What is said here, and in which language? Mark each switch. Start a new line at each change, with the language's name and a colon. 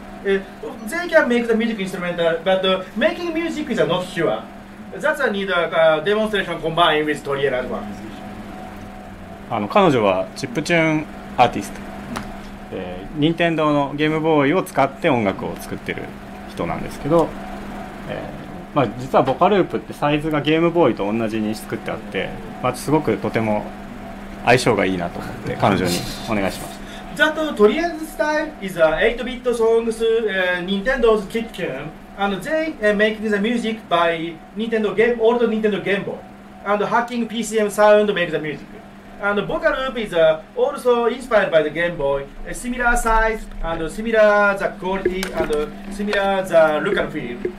English: They can make the music instrumental, but making music is not sure. That's a need a demonstration combined with Toriella's one.
Japanese: あの彼女はチップチューンアーティスト、任天堂のゲームボーイを使って音楽を作ってる人なんですけど、まあ、実はボカループってサイズがゲームボーイと同じに作ってあって、まあ、すごくとても相性がいいなと思って彼女にお願いしました。
English: That Toriella's style is a 8-bit songs, Nintendo's Kitchen.And they make the music by Nintendo Game, old Nintendo Game Boy. and hacking PCM sound make the music. And VOCALOOP is also inspired by the Game Boy, a similar size and similar the quality and similar the look and feel.